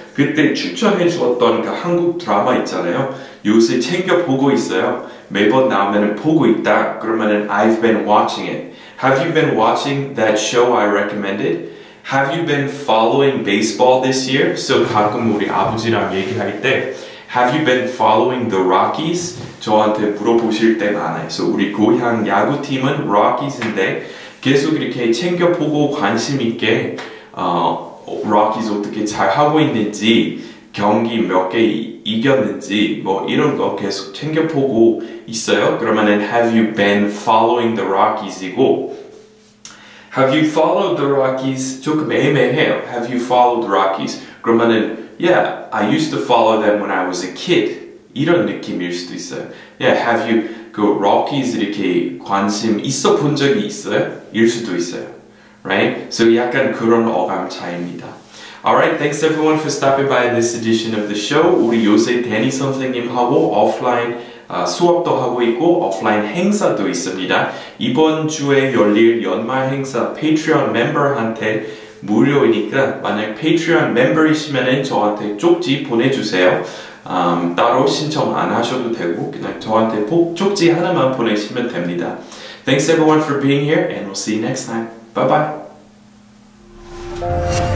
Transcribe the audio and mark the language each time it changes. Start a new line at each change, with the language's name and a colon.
Korean: 그때 추천해 주었던 그 한국 드라마 있잖아요. 요새 챙겨 보고 있어요. 매번 나오면은 보고 있다. 그러면은
English: I've been watching it. Have you been watching that show I recommended? Have you been following baseball this year? So
Korean: 가끔 우리 아버지랑 얘기할 때
English: Have you been following the Rockies?
Korean: 저한테 물어보실 때 많아요. So 우리 고향 야구팀은 Rockies인데 계속 이렇게 챙겨보고 관심 있게 Rockies 어떻게 잘 하고 있는지 경기 몇 개 이겼는지 뭐 이런 거 계속 챙겨보고 있어요. 그러면은
English: Have you been following the Rockies이고 Have you followed the Rockies?
Korean: 조금 애매해요.
English: Have you followed the Rockies?
Korean: 그러면은
English: Yeah, I used to follow them when I was a kid.
Korean: 이런 느낌일 수도 있어요. Yeah,
English: have you
Korean: 그 Rockies 이렇게 관심 있어 본 적이 있어요? 일 수도 있어요.
English: Right?
Korean: So 약간 그런 어감 차이입니다.
English: Alright, thanks everyone for stopping by this edition of the show.
Korean: 우리 요새 Danny 선생님하고 offline 수업도 하고 있고 오프라인 행사도 있습니다. 이번 주에 열릴 연말 행사 Patreon 멤버한테 무료이니까 만약 Patreon 멤버이시면은 저한테 쪽지 보내주세요. 따로 신청 안 하셔도 되고 그냥 저한테 쪽지 하나만 보내시면 됩니다.
English: Thanks everyone for being here and we'll see you next time. Bye bye.